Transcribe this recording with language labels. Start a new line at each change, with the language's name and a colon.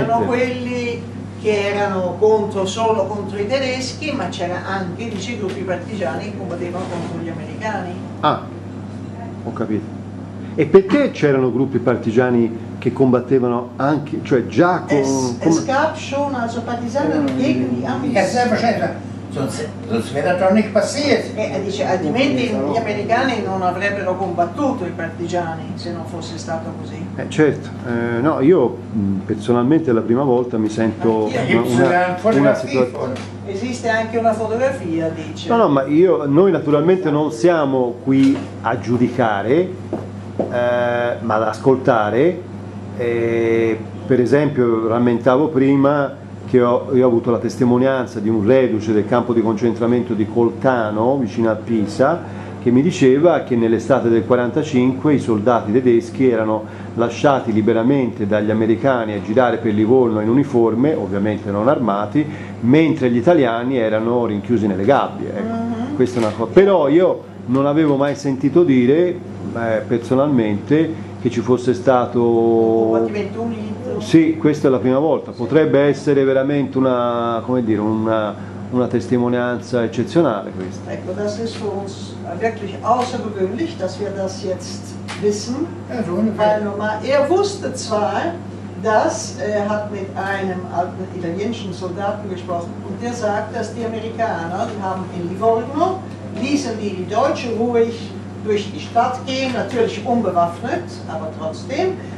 Italian: E c'erano quelli che erano contro, solo contro i tedeschi, ma c'era anche, dice, i gruppi partigiani che combattevano contro gli americani. Ah, ho capito. E perché c'erano gruppi partigiani che combattevano anche, cioè già con...
German: Es gab schon also Partisanen gegen die Amis. Sonst wäre das doch nicht passiert.
Italian: Dice, altrimenti gli americani non avrebbero combattuto i partigiani se non fosse stato così. Certo, no, io personalmente la prima volta mi sento una situazione. Esiste anche una fotografia, dice. No, ma io, noi naturalmente non siamo qui a giudicare, ma ad ascoltare. Per esempio, rammentavo prima che io ho avuto la testimonianza di un reduce del campo di concentramento di Coltano, vicino a Pisa, che mi diceva che nell'estate del 45 i soldati tedeschi erano lasciati liberamente dagli americani a girare per Livorno in uniforme, ovviamente non armati, mentre gli italiani erano rinchiusi nelle gabbie. Ecco. Questa è una cosa. Però io non avevo mai sentito dire, personalmente, che ci fosse stato... Sì, questa è la prima volta. Potrebbe essere veramente una, come dire, una testimonianza eccezionale questa.
German: Ecco, das ist für uns wirklich außergewöhnlich, dass wir das jetzt wissen. Er wusste zwar, dass er hat mit einem alten italienischen Soldaten gesprochen und der sagt, dass die Amerikaner, die haben in Livorno, ließen die Deutschen ruhig durch die Stadt gehen, natürlich unbewaffnet, aber trotzdem.